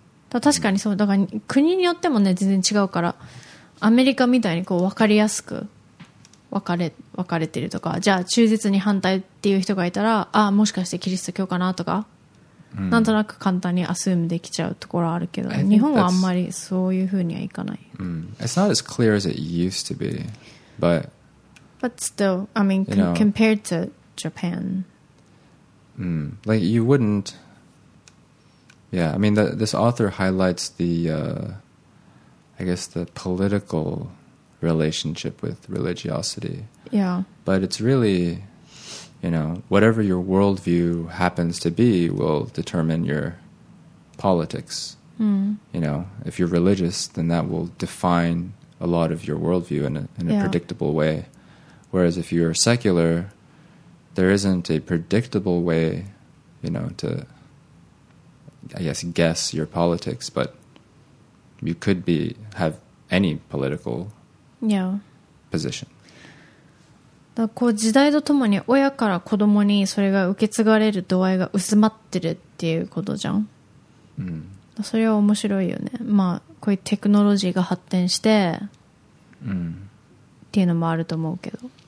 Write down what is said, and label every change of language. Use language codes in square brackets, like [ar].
[ja] 確かにそう、だから国によってもね全然違うから、アメリカみたいにこう分かりやすく分かれてるとか、じゃあ中絶に反対っていう人がいたら、あ、もしかしてキリスト教かなとか、なんとなく簡単にアスームできちゃうところあるけど、日本はあんまりそういうふうにはいかない。 [en] It's not as clear as it used to be, but still, I mean, compared to Japan, like you wouldn't. Yeah, I mean, this author highlights the, I guess, the political relationship with religiosity. Yeah. But it's really, you know, whatever your worldview happens to be will determine your politics. You know, if you're religious, then that will define a lot of your worldview in a predictable way. Whereas if you're secular, there isn't a predictable way, you know, to... I guess your politics, but you could have any political position. [ja] だからこう時代とともに親から子供にそれが受け継がれる度合いが薄まってるっていうことじゃん。それは面白いよね。まあこういうテクノロジーが発展してっていうのもあると思うけど。